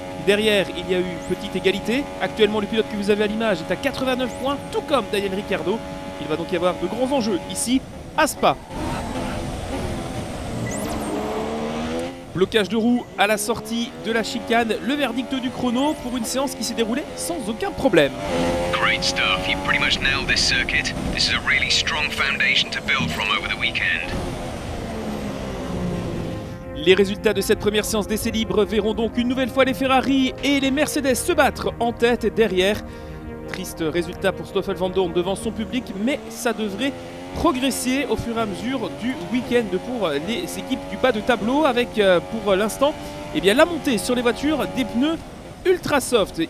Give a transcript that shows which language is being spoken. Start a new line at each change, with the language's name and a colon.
French: Derrière, il y a eu une petite égalité. Actuellement, le pilote que vous avez à l'image est à 89 points, tout comme Daniel Ricciardo. Il va donc y avoir de grands enjeux ici à Spa. Blocage de roue à la sortie de la chicane. Le verdict du chrono pour une séance qui s'est déroulée sans aucun problème.
English: Great stuff. You pretty much nailed this circuit. This is a really strong foundation to build from over the weekend.
French: Les résultats de cette première séance d'essai libre verront donc une nouvelle fois les Ferrari et les Mercedes se battre en tête et derrière. Triste résultat pour Stoffel Vandoorne devant son public, mais ça devrait progresser au fur et à mesure du week-end pour les équipes du bas de tableau avec pour l'instant la montée sur les voitures des pneus ultra soft.